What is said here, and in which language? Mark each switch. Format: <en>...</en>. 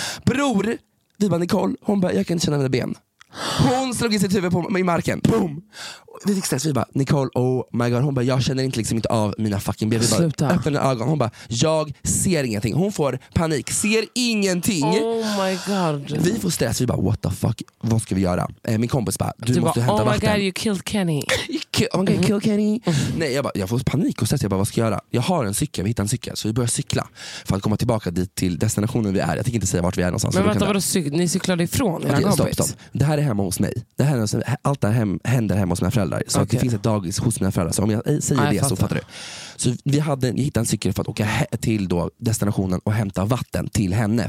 <sv>Bror, vi bara, Nicole, hon bara, jag kan inte känna mina ben. Hon slog i sitt huvud på i marken. Boom. Vi fick stress, vi bara, Nicole, oh my god. Hon bara, jag känner inte liksom inte av mina fucking ben. Vi bara, sluta. Öppna ögon. Hon bara, jag ser ingenting. Hon får panik, ser ingenting.</sv> <en>Oh my god.</en> <sv>Vi får stress, vi bara, what the fuck, vad ska vi göra? Min kompis bara, du måste hämta vatten.</sv> <en>Oh my god, you killed Kenny. Oh my god, you killed Kenny.</en> <sv>Nej, jag bara, jag får panik och stress. Jag bara, vad ska jag göra? Jag har en cykel, vi hittar en cykel. Så vi börjar cykla för att komma tillbaka dit till destinationen vi är. Jag tänker inte säga vart vi är någonstans. Men vänta, vadå, ni cyklade ifrån? Okej, stopp, stopp. Det här är hemma hos mig. Det här är hos, allt det här händer hemma hos mina föräldrar. Så okay. Det finns ett dagis hos mina föräldrar. Så om jag säger det, jag fattar. Så fattar du. Så vi hade hittat en cykel för att åka till då destinationen och hämta vatten till henne.</sv>